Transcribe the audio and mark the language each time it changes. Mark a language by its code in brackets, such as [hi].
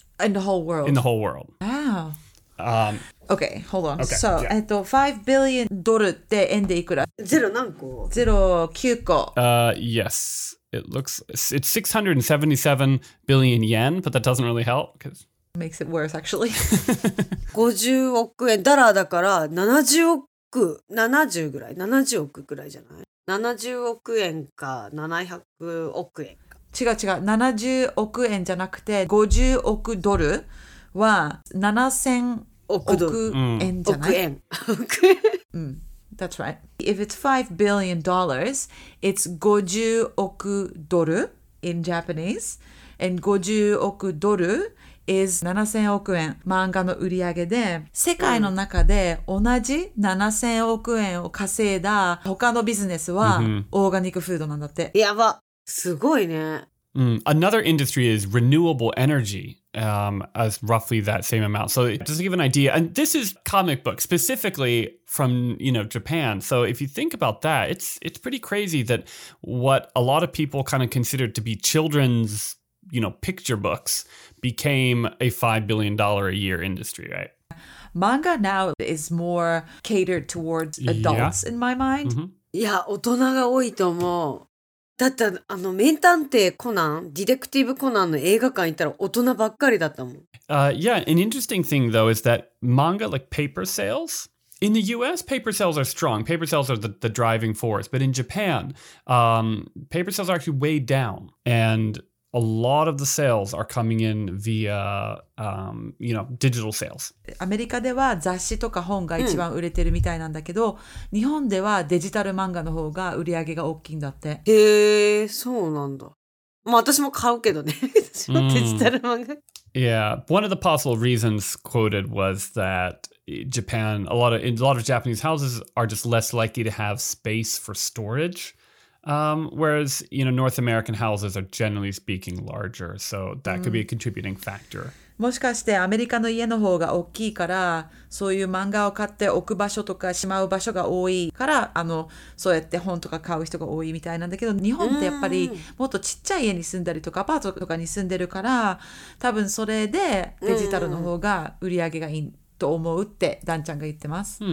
[en] In the whole world. Wow. Okay, hold on. Okay, so, yeah. $5 billion [ja] って円でいくら? 0何個? 0、9個。 [en] Yes. It's 677 billion yen, but that doesn't really help. Makes it worse, actually. [ja] 50億円ダラーだから70億円。 70億ぐらいじゃない70億円か700億円か違う70億円じゃなくて50億ドルは7000億ドル億円じゃない、億円、 [en] うん、That's right. If it's $5 billion, it's 50億ドル in Japanese. [ja] And 50億ドルis 7000億円漫画の売り上げで世界の中で同じ7000億円を稼いだ他のビジネスはオーガニックフードなんだってやばすごいね、 [en] Another industry is renewable energy、as roughly that same amount so just to give an idea and this is comic book specifically from you know Japan so if you think about that it's pretty crazy that what a lot of people kind of consider to be children'sYou know, picture books became a $5 billion a year industry, right? Manga now is more catered towards adults, yeah. In my mind. [ja] Yeah, 大人が多いと思う。だって、あの、名探偵コナン、ディテクティブコナンの映画館行ったら大人ばっかりだったもん。 [en] Yeah, an interesting thing though is that manga, like paper sales... In the US, paper sales are strong. Paper sales are the driving force. But in Japan, paper sales are actually way down. And... A lot of the sales are coming in via, you know, digital sales. [ja] アメリカでは雑誌とか本が一番売れてるみたいなんだけど、日本ではデジタル漫画の方が売り上げが大きいんだって。へー、そうなんだ。まあ私も買うけどね。私もデジタル漫画。 [en] Yeah, one of the possible reasons quoted was that Japan, a lot of Japanese houses are just less likely to have space for storage. Whereas, you know, North American houses are generally speaking larger. So that could be a contributing factor. [ja] もしかしてアメリカの家の方が大きいから、そういう漫画を買って置く場所とかしまう場所が多いから、そうやって本とか買う人が多いみたいなんだけど、日本ってやっぱりもっとちっちゃい家に住んだりとかアパートとかに住んでるから、多分それでデジタルの方が売り上げがいいと思うってダンちゃんが言ってます。